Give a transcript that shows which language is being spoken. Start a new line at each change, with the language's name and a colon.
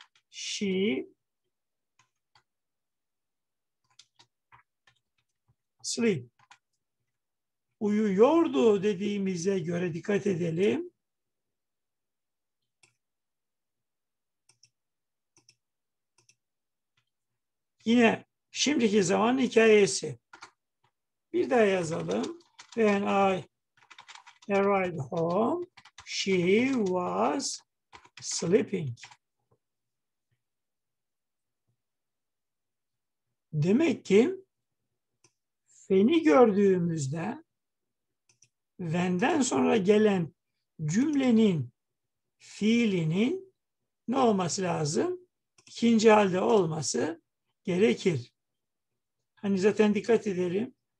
English: She sleep.
Turkish: Uyuyordu dediğimize göre dikkat edelim. Yine şimdiki zaman hikayesi. Bir daha yazalım.
English: When I arrived home, she was sleeping.
Turkish: Demek ki when'i gördüğümüzde when'den sonra gelen cümlenin fiilinin ne olması lazım? İkinci halde olması gerekir. Hani zaten dikkat edelim.